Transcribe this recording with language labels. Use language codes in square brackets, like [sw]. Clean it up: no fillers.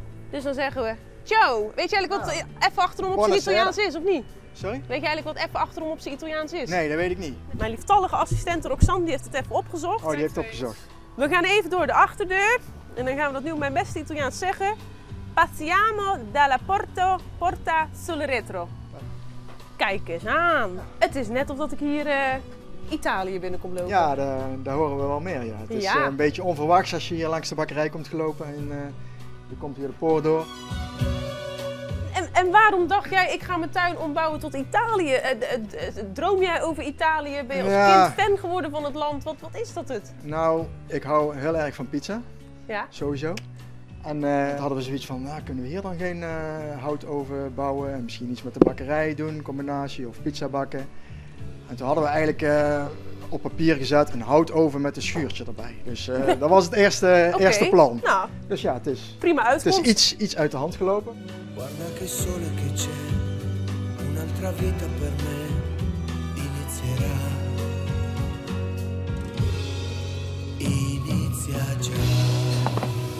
[nl] Dus dan zeggen we, jo, weet je eigenlijk wat even achterom op zijn Italiaans is, of niet? Sorry? Weet je eigenlijk wat even achterom op zijn Italiaans is? Nee, dat weet ik niet. Mijn lieftallige assistent Roxanne, die heeft het even opgezocht. Oh, die heeft het opgezocht. We gaan even door de achterdeur en dan gaan we dat nu op mijn beste Italiaans zeggen. [it] Passiamo dalla porta sul retro. [nl] Kijk eens aan. Het is net alsof ik hier Italië binnenkom lopen. Ja, daar horen we wel meer. Ja. Het is een beetje onverwachts als je hier langs de bakkerij komt gelopen en je komt hier de poort door. En waarom dacht jij, ik ga mijn tuin ombouwen tot Italië? Droom jij over Italië? Ben je als kind fan geworden van het land? Wat is dat het? Nou, ik hou heel erg van pizza. Ja? Sowieso. En toen hadden we zoiets van, kunnen we hier dan geen hout over bouwen? En misschien iets met de bakkerij doen, een combinatie of pizza bakken. En toen hadden we eigenlijk op papier gezet een hout over met een schuurtje erbij. Dus dat was het eerste, okay. Eerste plan. Nou, dus ja, het is, prima uitkomst. Het is iets uit de hand gelopen. [it] Guarda che sole che c'è, un'altra vita per me inizierà, inizia già.